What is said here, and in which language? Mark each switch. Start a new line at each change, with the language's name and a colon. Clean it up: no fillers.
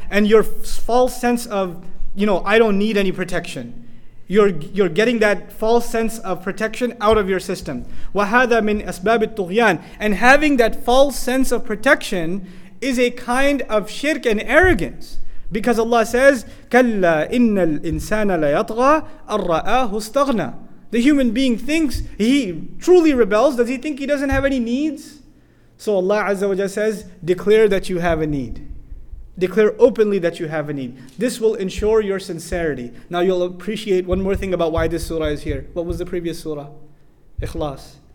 English: And your false sense of, you know, I don't need any protection. You're getting that false sense of protection out of your system.
Arabic: وَهَذَا مِنْ أَسْبَابِ الطُّغْيَانِ.
English: And having that false sense of protection is a kind of shirk and arrogance. Because Allah says,
Arabic: كَلَّا إِنَّ الْإِنسَانَ لَيَطْغَى أَرَّآهُ اسْتَغْنَى.
English: The human being thinks he truly rebels. Does he think he doesn't have any needs? So Allah Azza wa Jalla says, declare that you have a need. Declare openly that you have a need. This will ensure your sincerity. Now you'll appreciate one more thing about why this surah is here. What was the previous surah? Ikhlas.